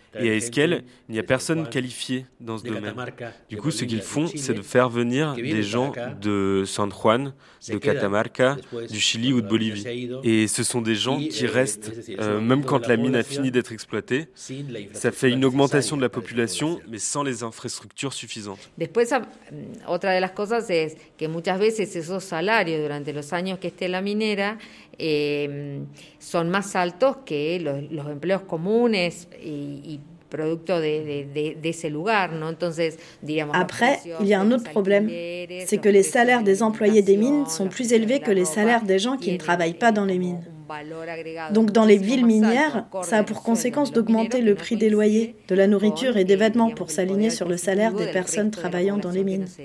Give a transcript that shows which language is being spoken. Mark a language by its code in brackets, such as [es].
[fr] Et à Esquel, il n'y a personne qualifié dans ce domaine. Du coup, ce qu'ils font, c'est de faire venir des gens de San Juan, de Catamarca, du Chili ou de Bolivie. Et ce sont des gens qui restent, même quand la mine a fini d'être exploitée. Ça fait une augmentation de la population, mais sans les infrastructures suffisantes. [es] Después, otra de las cosas es que muchas veces esos salarios durante los años que esté la minera [fr] sont [es] más altos que los empleos comunes y producto de ese lugar, ¿no? Entonces, diríamos. [fr] Après, il y a un autre problème, c'est que les salaires des employés des mines sont plus élevés que les salaires des gens qui ne travaillent pas dans les mines. Donc, dans les villes minières, ça a pour conséquence d'augmenter le prix des loyers, de la nourriture et des vêtements pour s'aligner sur le salaire des personnes travaillant dans les mines.